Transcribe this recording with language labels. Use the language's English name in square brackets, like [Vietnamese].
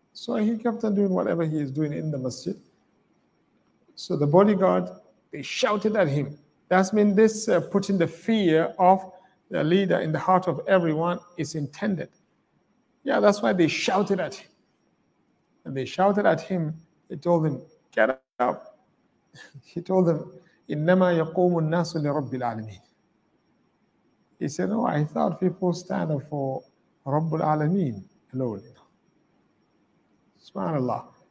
[English] So he kept on doing whatever he is doing in the masjid. So the bodyguard, they shouted at him. That means this putting the fear of the leader in the heart of everyone is intended. Yeah, that's why they shouted at him. And they shouted at him. They told him, get up. He told them, [Arabic] إِنَّمَا يَقُومُ النَّاسُ لِرَبِّ الْعَالَمِينَ. [English] He said, no, I thought people stand up for [Arabic] رَبُّ الْعَالَمِينَ. [English] Alone. SubhanAllah.